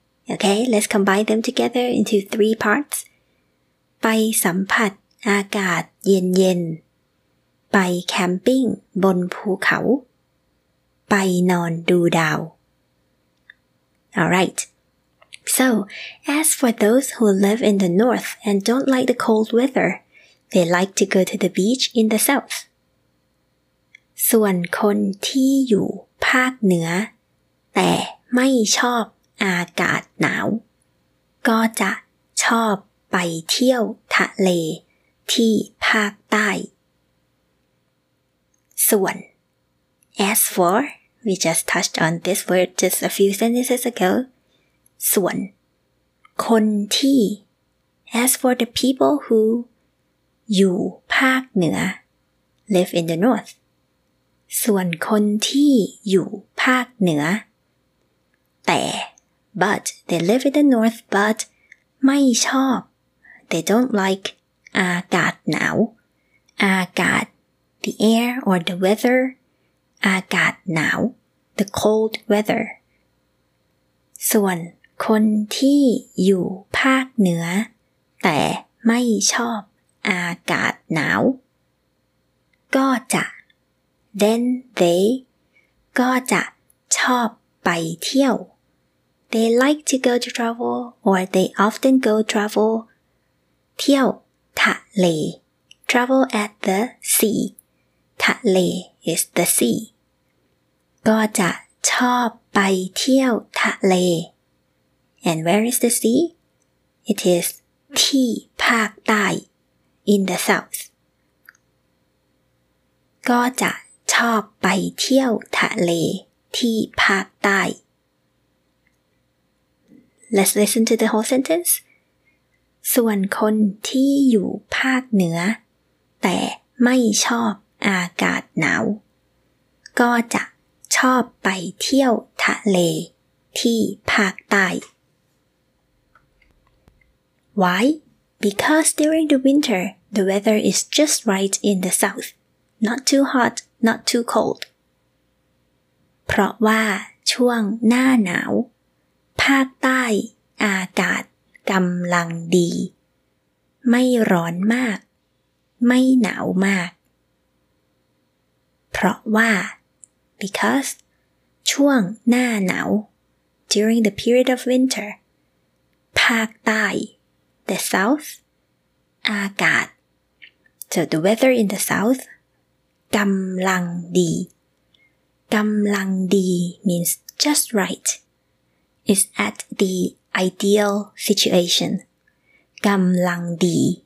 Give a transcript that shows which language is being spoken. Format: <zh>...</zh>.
<en>okay let's combine them together into three parts</en> <th>ไปสัมผัสอากาศเย็นเย็นไปแคมปิ้งบนภูเขาไปนอนดูดาว</th> <en>Alright. So, as for those who live in the north and don't like the cold weather, they like to go to the beach in the south.</en> <th>ส่วนคนที่อยู่ภาคเหนือแต่ไม่ชอบอากาศหนาวก็จะชอบไปเที่ยวทะเลที่ภาคใต้ส่วน</th> <en>As for... We just touched on this word just a few sentences ago.</en> <th>ส่วน คนที่</th> <en>As for the people who</en> <th>อยู่ภาคเหนือ</th> <en>live in the north.</en> <th>ส่วนคนที่อยู่ภาคเหนือแต่</th> <en>but they live in the north but</en> <th>ไม่ชอบ</th> <en>they don't like</en> <th>อากาศหนาวอากาศ</th> <en>the air or the weathera</en> <th>ากาศหนาว</th> <en>the cold weather</en> <th>ส่วนคนที่อยู่ภาคเหนือแต่ไม่ชอบอากาศหนาวก็จะ</th> <en>then they</en> <th>ก็จะชอบไปเที่ยว</th> <en>they like to go to travel or they often go travel</en> <th>เที่ยวทะเล</th> <en>travel at the sea</en> <th>ทะเล</th> <en>is the sea</en> <th>ก็จะชอบไปเที่ยวทะเล</th> <en>and where is the sea it is</en> <th>ที่ภาคใต้</th> <en>in the south</en> <th>ก็จะชอบไปเที่ยวทะเลที่ภาคใต้</th> <en>let's listen to the whole sentence</en> <th>ส่วนคนที่อยู่ภาคเหนือแต่ไม่ชอบอากาศหนาวก็จะชอบไปเที่ยวทะเลที่ภาคใต้</th> <en>Why? Because during the winter, the weather is just right in the south. Not too hot, not too cold.</en> <th>เพราะว่าช่วงหน้าหนาวภาคใต้อากาศ กำลังดีไม่ร้อนมากไม่หนาวมาก</th> <en>เพราะว่า because</en> <th>ช่วงหน้าหนาว</th> <en>during the period of winter ภาคใต้ the south อากาศ so the weather in the south</en> <th>กำลังดีกำลังดี</th> <en>means just right is at the ideal situation กำลังดี</en>